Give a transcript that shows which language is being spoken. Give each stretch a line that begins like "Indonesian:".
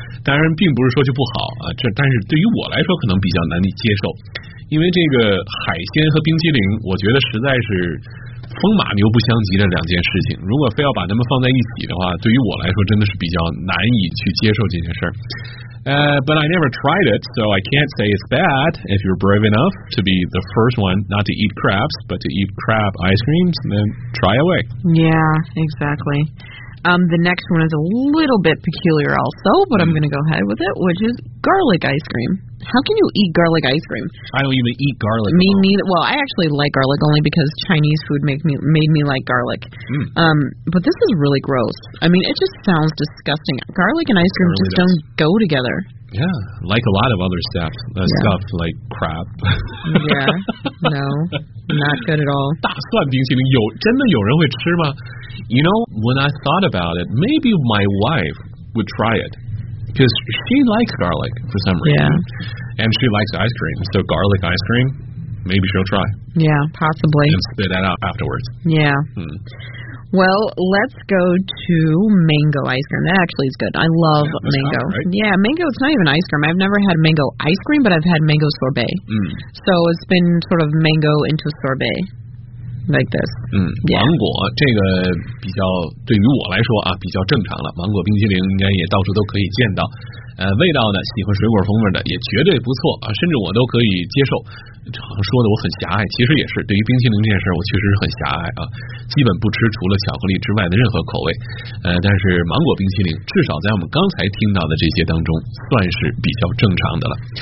Chinese: 当然并不是说就不好啊，这但是对于我来说可能比较难以接受。因为这个海鲜和冰淇淋我觉得实在是风马牛不相及的两件事情，如果非要把它们放在一起的话，对于我来说真的是比较难以去接受这件事儿。
English: But I never tried it, so I can't say it's bad. If you're brave enough to be the first one not to eat crabs, but to eat crab ice creams, then try away. Yeah, exactly. The next one is a little bit peculiar also, but I'm going to go ahead with it, which is garlic ice cream. How can you eat garlic ice cream? I don't even eat garlic. Me neither. Well, I actually like garlic only because Chinese food made me like garlic. Mm. But this is really gross. I mean, it just sounds disgusting. Garlic and ice cream really just don't go together. Yeah, like a lot of other stuff like crab. Yeah, no, not good at all.
Chinese: 大蒜冰淇淋有真的有人会吃吗？
English: You know, when I thought about it, maybe my wife would try it. Because she likes garlic for some reason. Yeah. And she likes ice cream. So garlic ice cream, maybe she'll try. Yeah, possibly. And spit that out afterwards. Yeah. Well, let's go to mango ice cream. That actually is good. I love mango. That's right. Yeah, mango, it's not even ice cream. I've never had mango ice cream, but I've had mango sorbet. Mm. So it's been sort of mango into sorbet. Like this.
Chinese: 芒果这个比较对于我来说啊比较正常了，芒果冰淇淋应该也到处都可以见到，味道呢喜欢水果风味的也绝对不错啊，甚至我都可以接受。说的我很狭隘，其实也是对于冰淇淋这件事我确实是很狭隘啊，基本不吃除了巧克力之外的任何口味，但是芒果冰淇淋至少在我们刚才听到的这些当中算是比较正常的了。